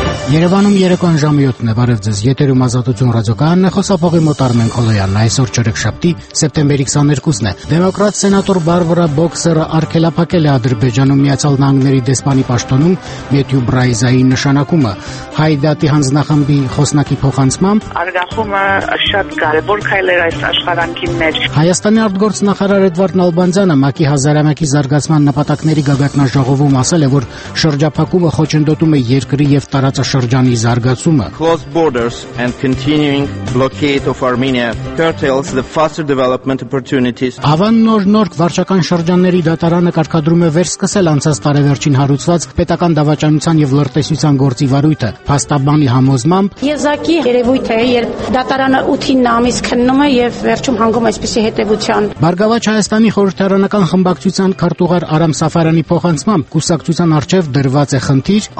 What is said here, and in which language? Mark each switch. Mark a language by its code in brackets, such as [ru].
[hy] Երևանում երեկոյան ժամը 7-ն է, բարև ձեզ, եթերում ազատություն ռադիոկայանն է, խոսափողի մոտ Արմեն Քոլոյանն է, այսօր չորեքշաբթի, սեպտեմբերի 22-ն է, դեմոկրատ սենատոր Բարբարա Բոքսերը արգելափակել է Ադրբեջանում Միացյալ Նահանգների դեսպանի պաշտոնում Մեթյու Բրայզայի նշանակումը, հայդատի հանձնախմբի խոսնակի փոխանցմամբ արգախումը շատ կարևոր քայլ էր այս աշխարհանքին մեջ։ Հայաստանի արտգործնախարար Էդվարդ Նալբանդյանը ՄԱԿ-ի հազարամյակի զարգացման նպատակների գագաթնա ժողովում ասել է, որ շրջափակումը խոչընդոտում է երկրի եւ տարածաշրջանի զարգացումը. [en] Closed borders and continuing blockade of Armenia curtails the faster development opportunities. [hy] Ավան Նոր-Նորք վարչական շրջանների դատարանը կարգադրում է վերսկսել անցած տարեվերջին հարուցված պետական դավաճանության եւ լրտեսության գործի վարույթը, փաստաբանի համոզմամբ։ Եզակի երևույթ է, երբ դատարանը 8-ին ամիս քննում է եւ վերջում հանգում այսպիսի հետեւության։ Բարգավաճ Հայաստանի խորհրդարանական խմբակցության քարտուղար Արամ Սաֆարյանի փոխանցմամբ կուսակցության արջև դրված է խնդիր